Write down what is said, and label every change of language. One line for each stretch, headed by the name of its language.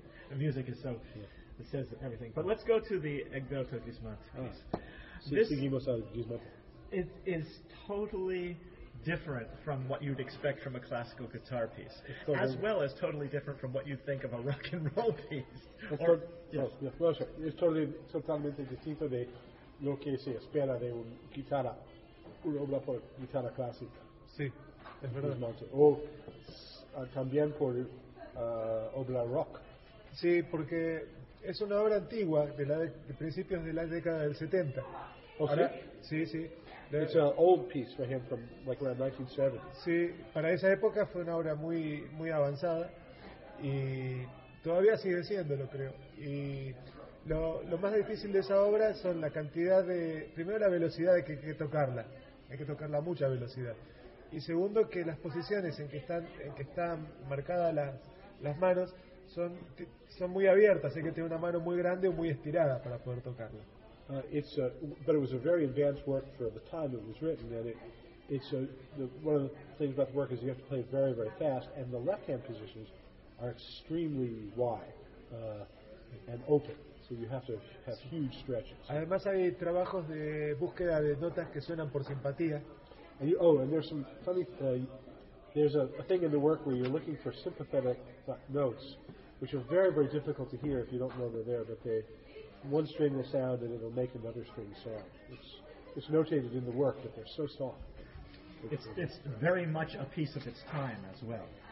English: The music is so it says everything. But let's go to the Egberto Gismonti.
Spanish: Seguimos al Gismonti.
English: It is totally different from what you'd expect from a classical guitar piece, as well as totally different from what you think of a rock and roll piece.
Spanish: Es totalmente distinto de lo que se espera de un guitarra. Una obra por guitarra clásica. Sí, es verdad. O también por obra rock. Sí, porque es una obra antigua de principios de la década del 70. ¿O sea? Sí, sí.
English: It's an old piece for him from like around 1970.
Spanish: Sí, para esa época fue una obra muy, muy avanzada y todavía sigue siendo, lo creo. Y lo más difícil de esa obra son la cantidad de. Primero, la velocidad de que hay que tocarla. Hay que tocarla a mucha velocidad. Y segundo, que las posiciones en que están marcadas las manos son muy abiertas. Hay que tener una mano muy grande o muy estirada para poder tocarla.
English: But it was a very advanced work for the time it was written, and one of the things about the work is you have to play it very, very fast, and the left hand positions are extremely wide and open. So you have to have huge stretches.
Spanish: Además, hay trabajos de búsqueda de notas que suenan por simpatía.
English: And there's some funny. There's a thing in the work where you're looking for sympathetic notes, which are very, very difficult to hear if you don't know they're there. But they one string will sound, and it'll make another string sound. It's notated in the work that they're so soft. It's very much a piece of its time as well.